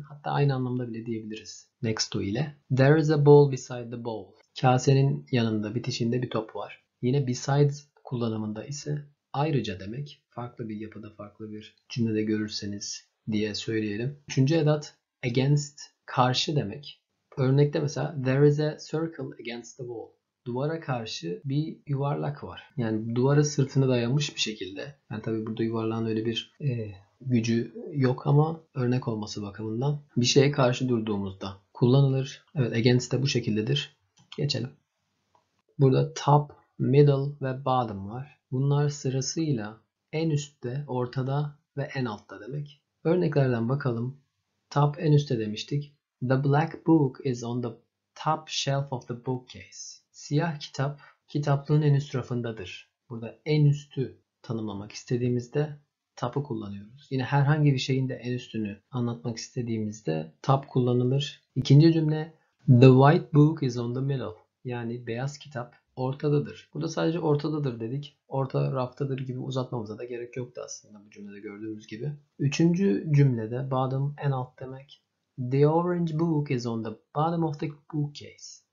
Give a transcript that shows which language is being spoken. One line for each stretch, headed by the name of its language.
Turkish: Hatta aynı anlamda bile diyebiliriz.
English: Next to ile. There is a ball beside the bowl.
Turkish: Kasenin yanında, bitişinde bir top var. Yine besides kullanımında ise ayrıca demek. Farklı bir yapıda, farklı bir cümlede görürseniz diye söyleyelim. Üçüncü edat, against, karşı demek. Örnekte mesela,
English: there is a circle against the wall.
Turkish: Duvara karşı bir yuvarlak var. Yani duvara sırtını dayamış bir şekilde. Yani tabii burada yuvarlağın öyle bir gücü yok ama örnek olması bakımından. Bir şeye karşı durduğumuzda kullanılır. Evet, against de bu şekildedir. Geçelim. Burada top, middle ve bottom var. Bunlar sırasıyla en üstte, ortada ve en altta demek. Örneklerden bakalım. Top en üstte demiştik.
English: The black book is on the top shelf of the bookcase.
Turkish: Siyah kitap kitaplığın en üst rafındadır. Burada en üstü tanımlamak istediğimizde top'u kullanıyoruz. Yine herhangi bir şeyin de en üstünü anlatmak istediğimizde top kullanılır. İkinci cümle.
English: The white book is on the middle.
Turkish: Yani beyaz kitap ortadadır. Burada sadece ortadadır dedik. Orta raftadır gibi uzatmamıza da gerek yoktu aslında bu cümlede gördüğümüz gibi. Üçüncü cümlede bottom en alt demek.
English: The orange book is on the bottom of the bookcase.